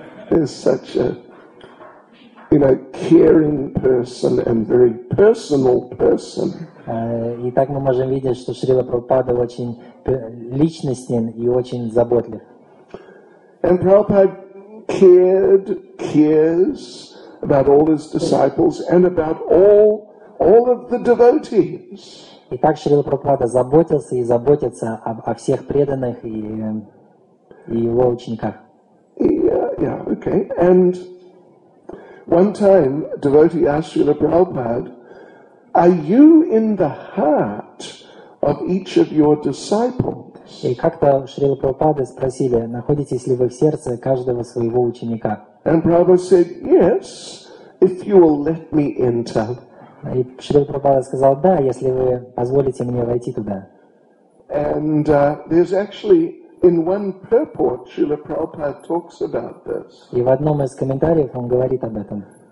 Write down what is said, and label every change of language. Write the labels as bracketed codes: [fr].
[en] There's such a, you know, caring person and very personal person. [ru] И так мы можем видеть, что Шрила Прабхупада очень личностен и очень заботлив. [en] And Prabhupada cared, cares, about all his disciples and about all of the devotees. [ru] Итак, Шрила Прабхупада заботился и заботится о всех преданных и его учениках. [en] Okay. And one time, a devotee asked Srila Prabhupada, "Are you in the heart of each of your disciples?" [ru] И как-то Шрила Прабхупада спросили, находитесь ли вы в сердце каждого своего ученика. [en] And Prabhupada said, "Yes, if you will let me enter." [ru] И Шрила Прабхупада сказал, да, если вы позволите мне войти туда. [en] And there's actually in one purport Srila Prabhupada talks about this. [ru] И в одном из комментариев он говорит об этом.